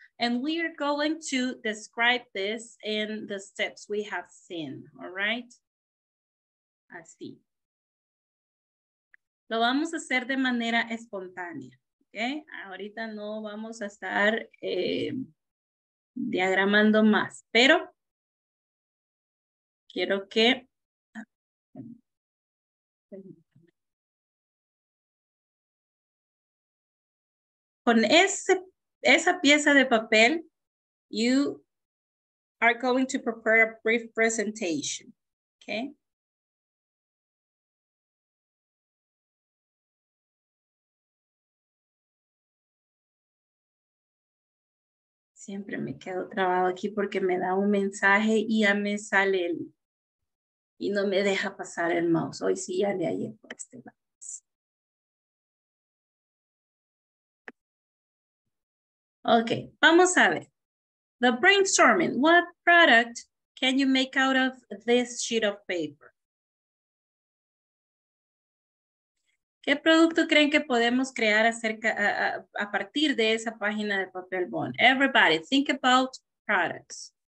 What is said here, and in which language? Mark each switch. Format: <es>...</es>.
<en>And we are going to describe this in the steps we have seen, all right?</en> <es>Así. Lo vamos a hacer de manera espontánea, okay? Ahorita no vamos a estar diagramando más, pero quiero que... Con ese... Esa pieza de papel,</es> <en>you are going to prepare a brief presentation, okay?</en> <es>Siempre me quedo trabado aquí porque me da un mensaje y ya me sale el, y no me deja pasar el mouse. Hoy sí, ya le hallé por este lado. Okay, vamos a ver.</es> <en>The brainstorming. What product can you make out of this sheet of paper?</en> <es>¿Qué producto creen que podemos crear acerca, a partir de esa página de papel bond?</es> <en>Everybody, think about products.</en>